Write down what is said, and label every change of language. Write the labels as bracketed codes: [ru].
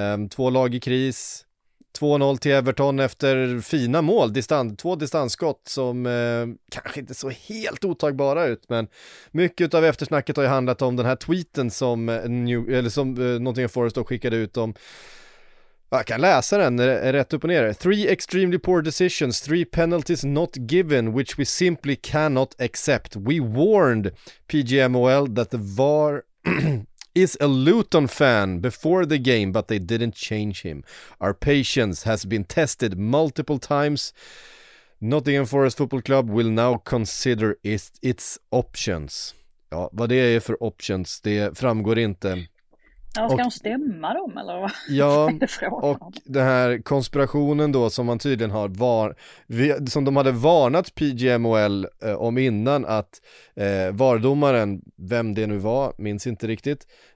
[sv] Två lag i kris. 2-0 till Everton efter fina mål. Två distansskott som kanske inte så helt otagbara ut. Men mycket av eftersnacket har ju handlat om den här tweeten som Nottingham Forest då skickade ut om. Jag kan läsa den rätt upp och ner. [en] Three extremely poor decisions, three penalties not given, which we simply cannot accept. We warned PGMOL that the VAR is a Luton fan before the game, but they didn't change him. Our patience has been tested multiple times. Nottingham Forest Football Club will now consider its options. [sv] Ja, vad det är för options, det framgår inte. Ja, ska de stämma dem eller vad? Ja, och den här konspirationen då som man tydligen har som de hade varnat PGMOL om innan, att vardomaren, vem det nu var, minns inte riktigt.